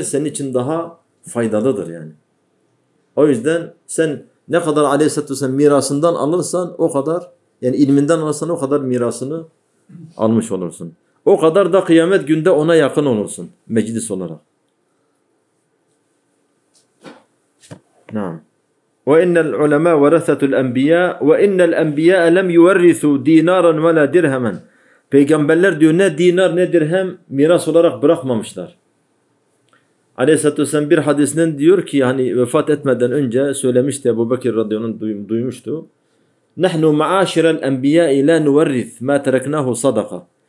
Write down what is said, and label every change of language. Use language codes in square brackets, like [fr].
[tr] Senin için daha faydalıdır yani. O yüzden sen ne kadar aleyhissalatü vesselam mirasından alırsan o kadar, yani ilminden alırsan o kadar mirasını almış olursun. O kadar da kıyamet günde ona yakın olursun meclis olarak. Naam. [ar] وإن العلماء ورثة الأنبياء وإن الأنبياء لم يورثوا دينارا ولا درهما. [tr] Peygamberler diyor ne dinar ne dirhem miras olarak bırakmamışlar. Aleyhisselatü vesselam bir hadisinden diyor ki, hani vefat etmeden önce söylemişti, Ebu Bekir radıyallahu anh duymuştu. [ar] نَحْنُ مَعَاشِرَ الْاَنْبِيَاءِ لَا نُوَرِّثْ مَا تَرَكْنَاهُ صَدَقَ.